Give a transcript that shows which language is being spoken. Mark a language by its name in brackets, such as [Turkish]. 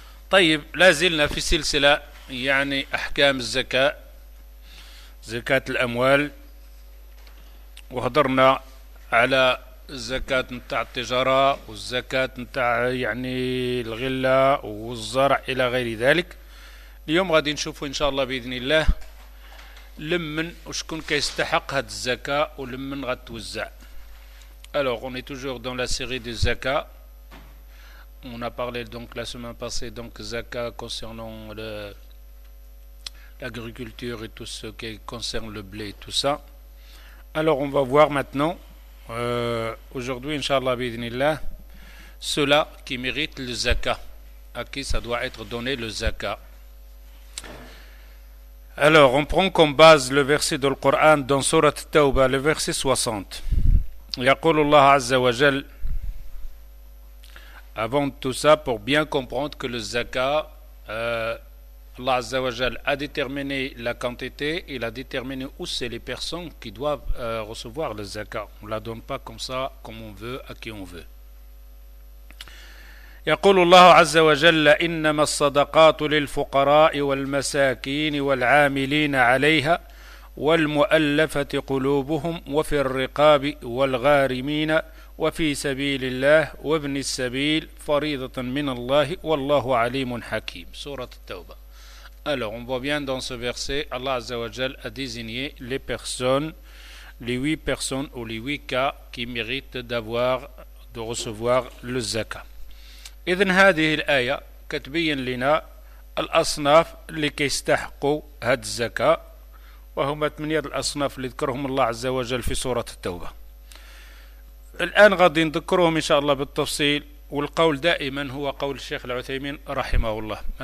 [Arabic] طيب، لازلنا في سلسلة يعني أحكام الزكاة، زكاة الأموال، وهضرنا على الزكاة نتاع التجارة والزكاة نتاع يعني الغلة والزرع إلى غير ذلك. اليوم غادي نشوفوا إن شاء الله بإذن الله لمن وشكون كيستحق هاد الزكاة ولمن غتوزع. [French] alors on est toujours dans la série de zaka. On a parlé donc la semaine passée donc zaka concernant l'agriculture et tout ce qui concerne le blé et tout ça. Alors on va voir maintenant aujourd'hui inchallah bidnillah ceux-là qui méritent le zaka, à qui ça doit être donné le zaka. Alors on prend comme base le verset du Coran dans sourate Tauba, le verset 60. [Arabic] Yaqulu Allah azza wa jal. [French] Avant tout ça, pour bien comprendre que le zaka, Allah Azza wa Jal a déterminé la quantité, il a déterminé où c'est les personnes qui doivent recevoir le zakat. On ne la donne pas comme ça, comme on veut, à qui on veut. [Arabic] يقول الله عز وجل إنما الصدقات للفقراء والمساكين والعاملين عليها والمؤلفة قلوبهم وفي الرقاب والغارمين وفي سبيل الله وابن السبيل فريضة من الله والله عليم حكيم. سورة التوبة. [French] Alors, on voit bien dans ce verset, Allah Azza wa Jal a désigné les personnes, les huit personnes ou les huit cas qui méritent d'avoir, de recevoir le zakat. [Arabic] إذن هذه الآية كتبين لنا الأصناف اللي كيستحقوا هاد الزكاة، وهما ثمانية الأصناف اللي ذكرهم الله عز وجل في سورة التوبة. الآن غادي نذكرهم إن شاء الله بالتفصيل، والقول دائما هو قول الشيخ العثيمين رحمه الله.